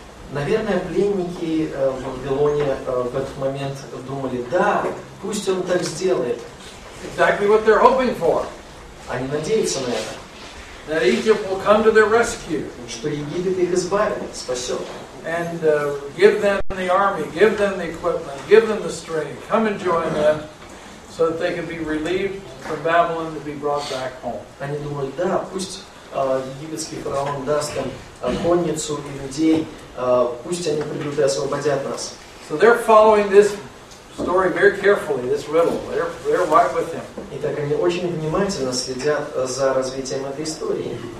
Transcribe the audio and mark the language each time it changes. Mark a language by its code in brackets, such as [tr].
[ru] Наверное, пленники в Вавилоне в этот момент думали, да, пусть он так сделает. [en] Exactly what they're hoping for. [ru] Они надеются на это. [en] That Egypt will come to their rescue. [ru] Что Египет их избавит, спасет. [en] And give them the army, give them the equipment, give them the strength, come and join them, so that they can be relieved from Babylon to be brought back home. [ru] Они думают, да, пусть египетский фараон даст им конницу и людей, пусть они придут и освободят нас. [en] So they're following this story very carefully, this riddle. They're right with him. [ru] Итак, они очень внимательно следят за развитием этой истории.